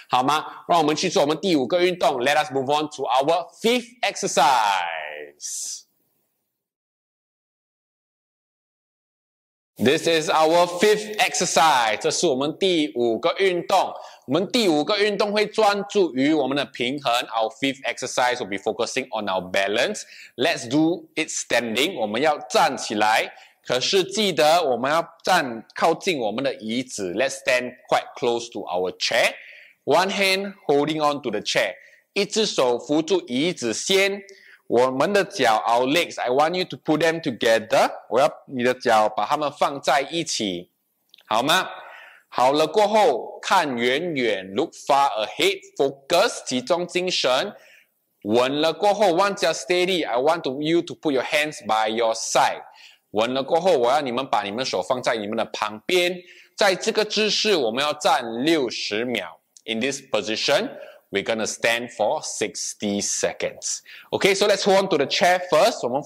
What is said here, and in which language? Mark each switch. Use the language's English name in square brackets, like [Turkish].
[Chinese] 我们最后一个运动会专注于我们平衡的运动，好吗？让我们去做我们第五个运动。 [English] Let us move on to our fifth exercise. This is our fifth exercise. [Chinese] 这是我们第五个运动。我们第五个运动会专注于我们的平衡。 [English] Our fifth exercise will be focusing on our balance. Let's do it standing. [Chinese] 我们要站起来。可是记得我们要站靠近我们的椅子。 [English] Let's stand quite close to our chair. One hand holding on to the chair. [Chinese] 一只手扶住椅子先。我们的脚, [English] our legs, I want you to put them together. [Chinese] 我要你的脚把它们放在一起。好吗? 好了过后, 看远远, [English] look far ahead, [Chinese] focus, 集中精神。稳了过后, [English] once you're steady, I want you to put your hands by your side. [Chinese] 稳了过后, 我要你们把你们手放在你们的旁边。在这个姿势, 我们要站60秒。 [English] In this position, we're going to stand for 60 seconds. Okay, so let's hold on to the chair first.